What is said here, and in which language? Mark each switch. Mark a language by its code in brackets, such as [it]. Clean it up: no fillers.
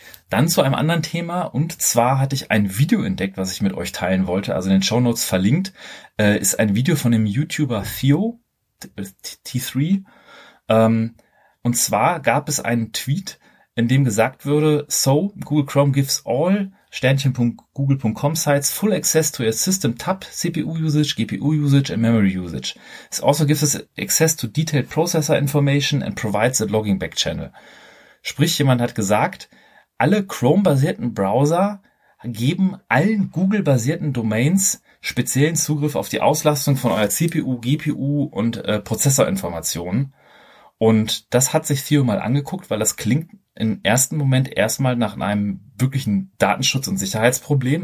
[de] Dann zu einem anderen Thema, und zwar hatte ich ein Video entdeckt, was ich mit euch teilen wollte, also in den Shownotes verlinkt, ist ein Video von dem YouTuber Theo, T3, und zwar gab es einen Tweet, in dem gesagt wurde, so, [en] Google Chrome gives all Sternchen.google.com Sites full access to your system tab, CPU usage, GPU usage and memory usage. It also gives us access to detailed processor information and provides a logging back channel. [de] Sprich, jemand hat gesagt, alle Chrome-basierten Browser geben allen Google-basierten Domains speziellen Zugriff auf die Auslastung von eurer CPU, GPU und Prozessorinformationen. Und das hat sich Theo mal angeguckt, weil das klingt im ersten Moment erstmal nach einem wirklichen Datenschutz- und Sicherheitsproblem.